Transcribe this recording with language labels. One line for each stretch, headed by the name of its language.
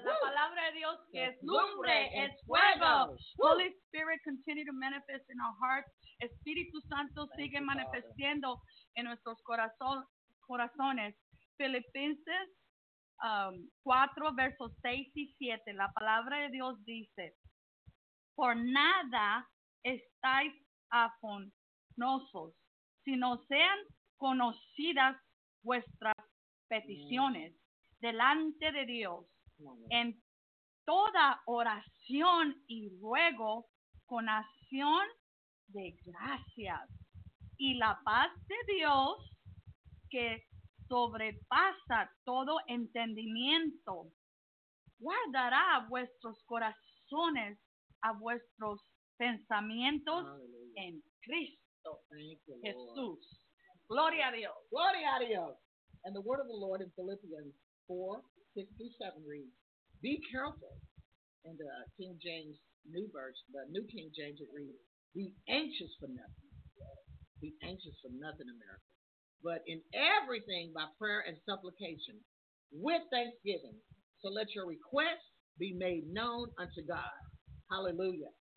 Spanish: La palabra de Dios que es lumbre, es fuego.
English: Holy Spirit, continue to manifest in our hearts.
Spanish: Espíritu Santo, sigue manifestando en nuestros corazones. Filipenses 4, versos 6 y 7. La palabra de Dios dice, por nada estáis afanosos, sino sean conocidas vuestras peticiones delante de Dios en toda oración y ruego con acción de gracias, y la paz de Dios que sobrepasa todo entendimiento. Guardará vuestros corazones a vuestros pensamientos en Cristo Jesús. Gloria a Dios. Gloria a Dios.
English: And the word of the Lord in Philippians 4:6-7 reads, be careful. In the King James New Verse, the New King James, it reads, be anxious for nothing. Be anxious for nothing, America. But in everything by prayer and supplication, with thanksgiving, so let your requests be made known unto God. Hallelujah.